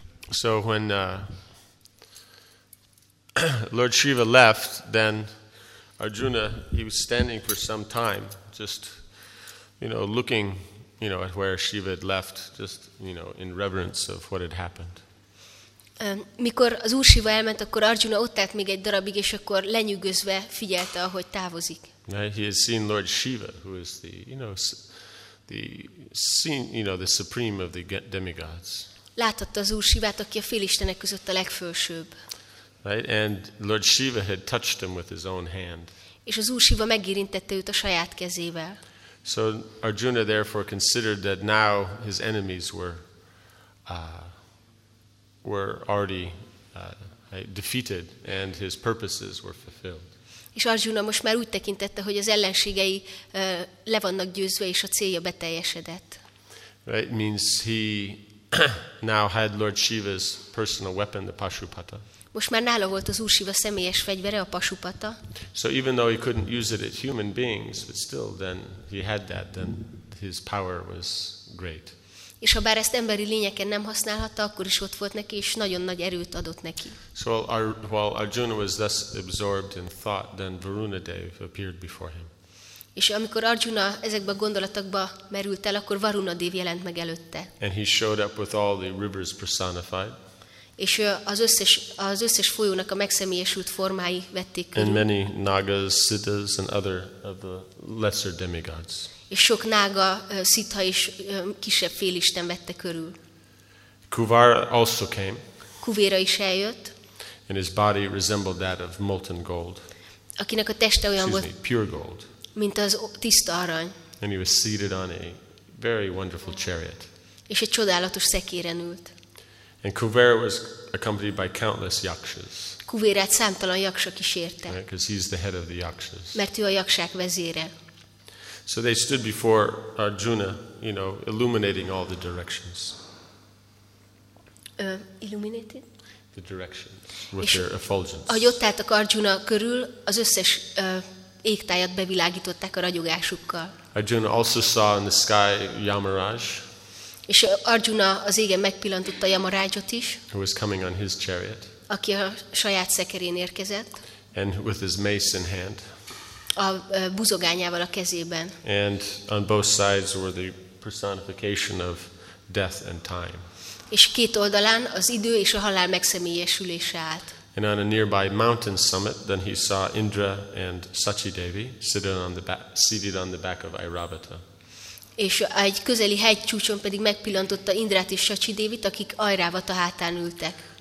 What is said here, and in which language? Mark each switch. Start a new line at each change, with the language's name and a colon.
English: So when Lord Shiva left, then Arjuna, he was standing for some time, just, you know, looking, you know, at where Shiva had left, just, you know, in reverence of what had happened.
Hungarian: Mikor az Úr Shiva elment, akkor Arjuna ott állt még egy darabig, és akkor lenyűgözve figyelte, ahogy távozik.
English: He has seen Lord Shiva, who is the, you know, the seen, you know, the supreme of the demigods.
Hungarian: Láthatta az Úr Shivát, aki a félistenek között a legfelsőbb.
English: Right? And Lord Shiva had touched him with his own hand.
Hungarian: És az Úr Shiva megérintette őt a saját kezével.
English: So Arjuna therefore considered that now his enemies were already defeated and his purposes were fulfilled.
Hungarian: És Arjuna most már úgy tekintette, hogy az ellenségei le vannak győzve és a célja beteljesedett.
English: Right, means he now had Lord Shiva's personal weapon, the Pashupata.
Hungarian: Most már nála volt az Úr Shiva személyes fegyvere, a Pashupata.
English: So even though he couldn't use it at human beings, but still then he had that, then his power was great.
Hungarian: És ha bár ezt emberi lényeken nem használhatta, akkor is ott volt neki, és nagyon nagy erőt adott neki.
English: So while Arjuna was thus absorbed in thought, then Varuna Dev appeared before him.
Hungarian: És amikor Arjuna ezekbe a gondolatokba merült el, akkor Varuna Dev jelent meg előtte.
English: And he showed up with all the rivers personified.
Hungarian: És az összes folyónak a megszemélyesült formái vették körül.
English: And many nagas, siddhas and other of the lesser demigods.
Hungarian: És sok nága, szitha és kisebb félisten vette körül.
English: Kuvara also came.
Hungarian: Kuvera is eljött.
English: And his body resembled that of molten gold.
Hungarian: Akinek a teste olyan volt,
English: pure gold,
Hungarian: mint az tiszta arany.
English: And he was seated on a very wonderful chariot.
Hungarian: És egy csodálatos szekéren ült.
English: And Kuvera was accompanied by countless yakshas.
Hungarian: Kuverát számtalan yaksa kísérte.
English: Because he's the head of the yakshas.
Hungarian: Mert ő a yakshák vezére.
English: So they stood before Arjuna, you know, illuminating all the directions. Illuminated? The directions with their effulgence.
Hungarian: Ahogy ott álltak Arjuna körül, az összes égtájat bevilágították a ragyogásukkal.
English: Arjuna also saw in the sky Yamaraj.
Hungarian: És Arjuna az égen megpillantotta Yamarajot is.
English: Who was coming on his chariot.
Hungarian: Aki a saját szekerén érkezett.
English: And with his mace in hand.
Hungarian: A buzogányával a kezében.
English: And on both sides were the personification of death and time.
Hungarian: És két oldalán az idő és a halál megszemélyesülése állt.
English: And on a nearby mountain summit, then he saw Indra and Sachidevi seated on the back of Airavata.
Hungarian: És egy közeli hegycsúcson pedig megpillantotta Indrát és Sachidevit, akik Airavata hátán ültek.